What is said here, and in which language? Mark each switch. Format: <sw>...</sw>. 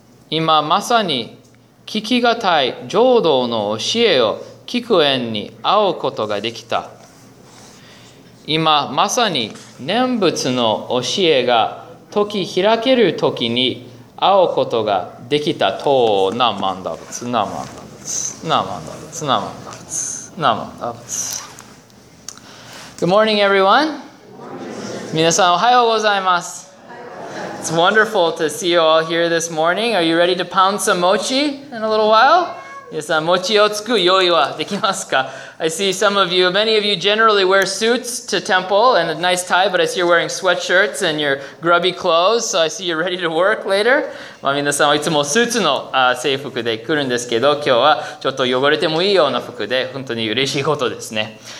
<ja>今まさに聞き難い浄土の教えを聞く縁に会うことができた今まさに念仏の教えが時開ける時に会うことができたとなまんだぶつなまんだぶつなまんだぶつなまんだぶつなまんだぶつ</ja> <en>Good morning, everyone.</en> <ja>みなさんおはようございます。</ja> <en>It's wonderful to see you all here this morning. Are you ready to pound some mochi in a little while?</en> <ja>みなさん、もちをつく用意はできますか?</ja> <en>I see some of you, many of you generally wear suits to temple and a nice tie, but I see you're wearing sweatshirts and your grubby clothes, so I see you're ready to work later.</en> <ja>まあ、みなさんはいつもスーツの制服で来るんですけど、今日はちょっと汚れてもいいような服で本当に嬉しいことですね。</ja>